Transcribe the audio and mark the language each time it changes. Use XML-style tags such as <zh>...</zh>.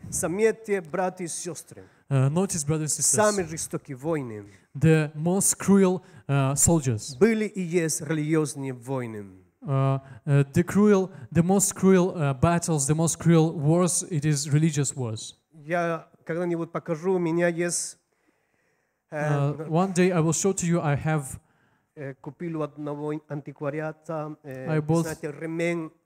<ru>Заметьте, братья и сестры.</ru> <en>Notice, brothers and sisters.</en> <ru>Самые жестокие войны.</ru> <en>The most cruel soldiers.</en> <ru>Были и есть религиозные войны.</ru> <en>The most cruel battles, the most cruel wars, it is religious wars.</en> <ru>Я когда-нибудь покажу, у меня есть...</ru> <en>One day I will show to you, I have...</en> <ru>Купил у одного антиквариата, знаете, ремень.</ru>